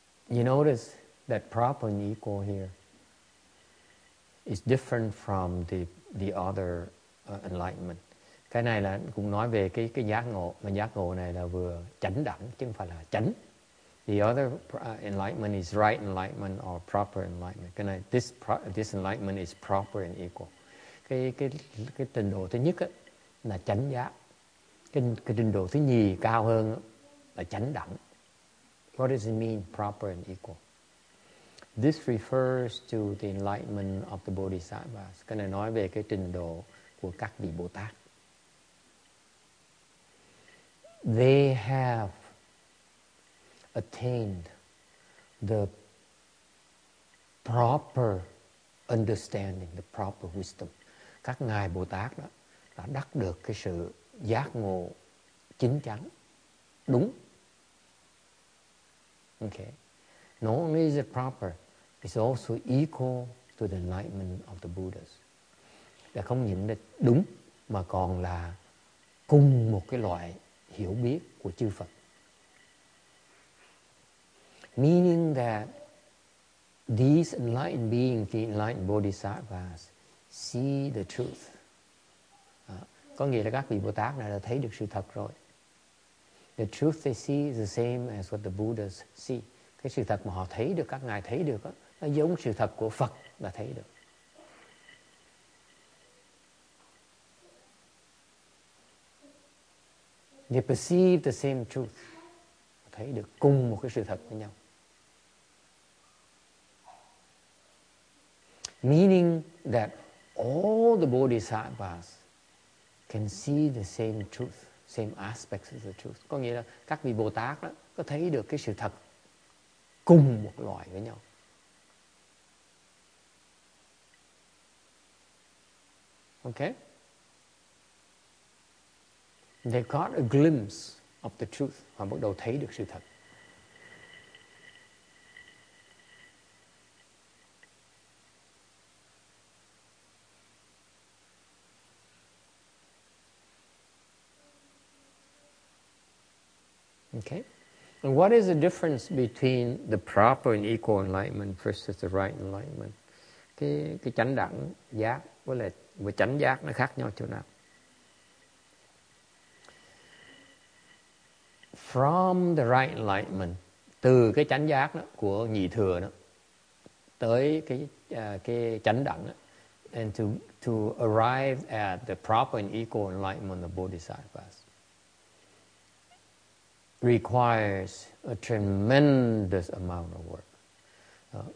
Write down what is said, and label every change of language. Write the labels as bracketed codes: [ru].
[en] You notice that proper and equal here is different from the other enlightenment. [vi] Cái này là cũng nói về cái giác ngộ, mà giác ngộ này là vừa chánh đẳng chứ không phải là chánh. [en] The other enlightenment is right enlightenment or proper enlightenment. [vi] Cái này, [en] this enlightenment is proper and equal. [vi] Cái trình độ thứ nhất ấy, là chánh giác. Cái trình độ thứ nhì cao hơn là chánh đẳng. [en] What does it mean, proper and equal? This refers to the enlightenment of the bodhisattvas. [vi] Cái này nói về cái trình độ của các vị Bồ Tát. [en] They have attained the proper understanding, the proper wisdom. [vi] Các ngài Bồ Tát đó đã đắc được cái sự giác ngộ chín chắn, đúng. [en] Okay. Not only is it proper, it's also equal to the enlightenment of the Buddhas. [vi] Là không những là đúng, mà còn là cùng một cái loại hiểu biết của chư Phật. [en] Meaning that these enlightened beings, the enlightened bodhisattvas, see the truth. [vi] Có nghĩa là các vị Bồ Tát này đã thấy được sự thật rồi. [en] The truth they see is the same as what the Buddhas see. [vi] Cái sự thật mà họ thấy được, các ngài thấy được, nó giống sự thật của Phật đã thấy được. [en] They perceive the same truth. [vi] Thấy được cùng một cái sự thật với nhau. [en] Meaning that all the bodhisattvas can see the same truth, same aspects of the truth. [vi] Có nghĩa là các vị Bồ Tát đó có thấy được cái sự thật cùng một loại với nhau. [en] Okay? They got a glimpse of the truth. [vi] Họ bắt đầu thấy được sự thật. [en] Okay? And what is the difference between the proper and equal enlightenment versus the right enlightenment? [vi] Cái chánh đẳng giác với chánh giác nó khác nhau chỗ nào? [en] From the right enlightenment, [vi] từ cái chánh giác đó, của nhị thừa đó, tới cái chánh đẳng đó, [en] and to arrive at the proper and equal enlightenment of bodhisattvas requires a tremendous amount of work.